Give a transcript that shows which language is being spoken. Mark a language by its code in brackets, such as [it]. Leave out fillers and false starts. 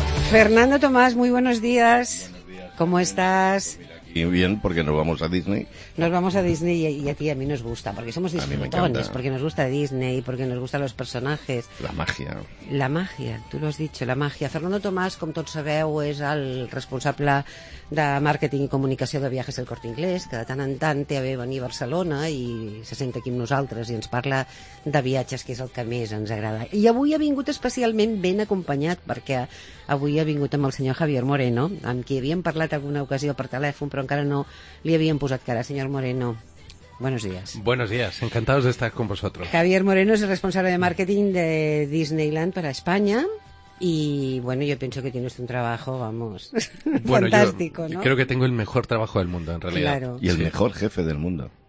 [es] Fernando Tomás, muy buenos días. ¿Cómo estás? Y bien, porque nos vamos a Disney. Nos vamos a Disney y a ti, a mí nos gusta, porque somos disfrutones, porque nos gusta Disney, porque nos gustan los personajes. La magia. La magia, tú lo has dicho, la magia. [ca] Fernando Tomás, com tots sabeu, és el responsable de màrqueting i comunicació de Viajes al Corte Inglés, que de tant en tant té a bé venir a Barcelona i se sent aquí amb nosaltres i ens parla de viatges, que és el que més ens agrada. I avui ha vingut especialment ben acompanyat, perquè avui ha vingut amb el senyor Javier Moreno, amb qui havíem parlat alguna ocasió per telèfon, però encara no li havíem posat cara. [es] Senyor Moreno, buenos días. Buenos días, encantados de estar con vosotros. Javier Moreno es el responsable de marketing de Disneyland para España. Y bueno, yo pienso que tienes un trabajo, vamos, bueno, fantástico, yo, ¿no? Creo que tengo el mejor trabajo del mundo, en realidad. Claro. Y el mejor jefe del mundo.